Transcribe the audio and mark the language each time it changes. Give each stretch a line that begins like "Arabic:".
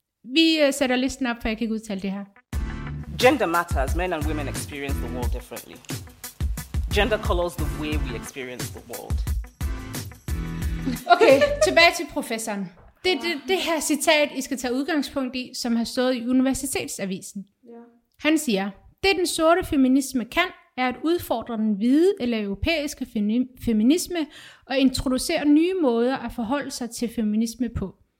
Danish: Vi sætter listen op, for jeg kan ikke udtale det her.
English: Gender matters. Men and women experience the world differently. Gender colors the way we experience the world.
Danish: Okay, tilbage til professoren. Det her citat, I skal tage udgangspunkt i, som har stået i Universitetsavisen. Ja. Han siger, det den sorte feminisme kan, er at udfordre den hvide eller europæiske feminisme og introducere nye måder at forholde sig til feminisme på.